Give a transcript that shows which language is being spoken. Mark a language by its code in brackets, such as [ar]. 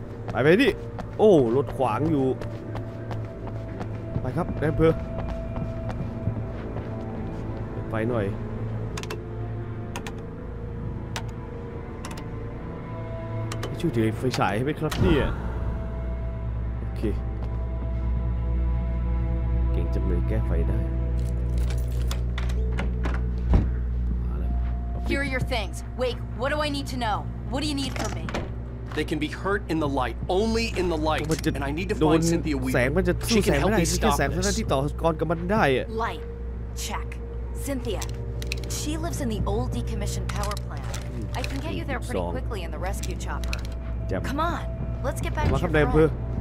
[th] ไปไปดิโอ้รถขวางอยู่ไปครับนายอำเภอไปหน่อยช่วยถือไฟฉายให้ไหมครับเนี่ยโอเคเก่งจังเลยแก้ไฟได้มาแล้ว [en] Here are your things. Wait, what do I need to know? What do you need from me? They can be hurt in the light, only in the light. And I need to find Cynthia Weaver. She can help me stop this. [th] แสงมันจะสู้แสงไม่ได้ฉันแสงเท่านั้นที่ต่อกรกับมันได้ [en] Light, check. Cynthia, she lives in the old decommissioned power plant. I can get you there pretty quickly in the rescue chopper. Come on, let's get back to your room.